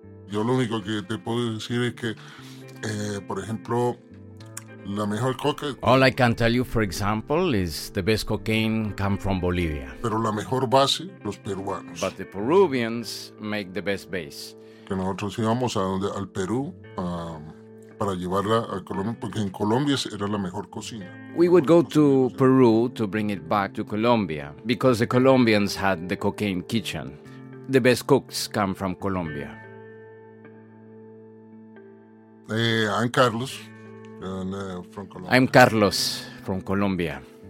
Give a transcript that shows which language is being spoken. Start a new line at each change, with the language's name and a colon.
Spanish: Yo lo único que te puedo decir es que, por ejemplo, la mejor coca.
English: All I can tell you, for example, is the best cocaine come from Bolivia.
Spanish: Pero la mejor base, los peruanos.
English: But the Peruvians make the best base.
Spanish: Que nosotros íbamos al Perú para llevarla a Colombia, porque en Colombia era la mejor cocina.
English: We would go to Peru to bring it back to Colombia, because the Colombians had the cocaine kitchen. The best cooks come from Colombia. I'm Carlos, and, from Colombia. I'm Carlos from Colombia.